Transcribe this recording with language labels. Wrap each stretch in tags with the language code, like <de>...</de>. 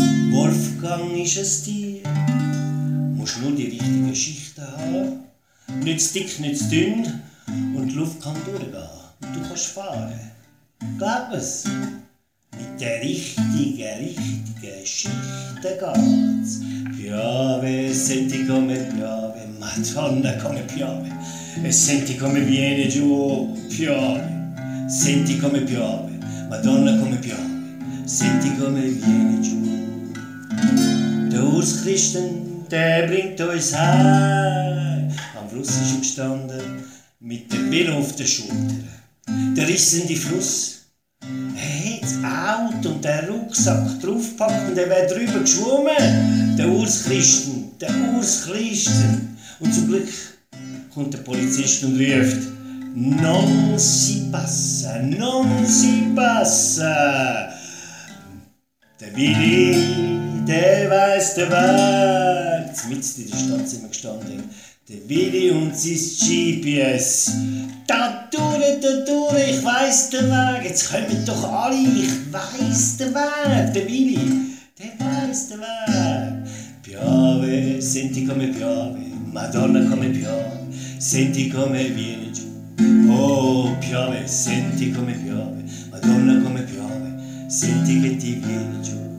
<de>Wolfgang ist ein Tier, muss nur die richtige Schicht haben. Nicht zu dick, nicht zu dünn und die Luft kann durchgehen. Und du kannst fahren, glaub es. Mit der richtigen, richtigen Schicht geht's.</de> <it>Piove, senti come piove, Madonna come piove, e senti come viene giù, piove, senti come piove, Madonna come piove, senti come viene giù.</it> <de>Der Urs Christen, der bringt uns heim, am Fluss ist er gestanden, mit dem Velo auf der Schulter, der rissende Fluss. Er hat das Auto und den Rucksack draufgepackt und er wäre drüber geschwommen. Der Urs Christen, der Urs Christen. Und zum Glück kommt der Polizist und ruft:</de> <it>Non si passa, non si passa.</it> <de>Der Willi, der weiss den Weg. Mitten in der Stadt sind wir gestanden. Der Willi und sein GPS. Da durch, ich weiss den Weg. Jetzt kommen doch alle, ich weiss den Weg. Der Willi, der weiss den Weg.</de> <it>Piove, senti come piove, Madonna come piove, senti come viene giù. Oh, piove, senti come piove, Madonna come piove, senti che ti viene giù.</it>